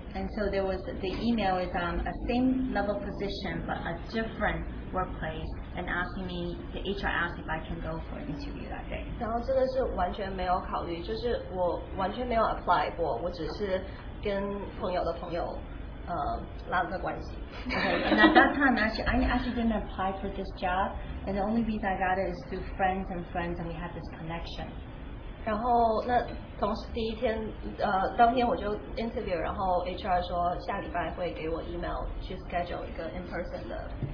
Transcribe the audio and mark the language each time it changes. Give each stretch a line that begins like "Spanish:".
English: And so there was the email is a same level position but a different workplace. And asking me, the HR asked if I can go for an interview that day.
Chinese: 然后真的是完全没有考虑，就是我完全没有 apply 过，我只是跟朋友的朋友，拉了个关系。
English: And at that time, I actually didn't apply for this job, and the only reason I got it is through friends and friends, and we had this connection.
Chinese: 然后那同时第一天，当天我就 interview， 然后 HR 说下礼拜会给我 email 去 schedule 一个 in person 的。